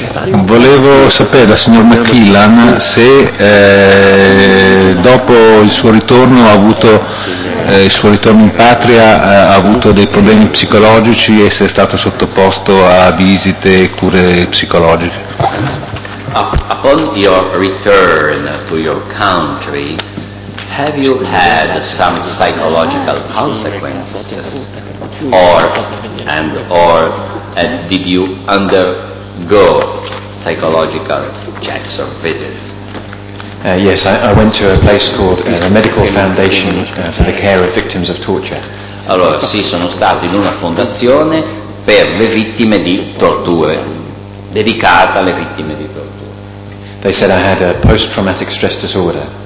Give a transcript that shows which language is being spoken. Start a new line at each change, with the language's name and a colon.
Italian: Volevo sapere dal signor McKillan se dopo il suo ritorno in patria ha avuto dei problemi psicologici e se è stato sottoposto a visite e cure psicologiche.
English: Upon your return to your country, have you had some psychological consequences or did you undergo psychological checks or visits? Yes, I went to a place called the Medical Foundation for the Care of Victims of Torture.
Italian: Allora, sì, sono stato in una fondazione per le vittime di torture, dedicata alle vittime di torture.
English: They said I had a post-traumatic stress disorder.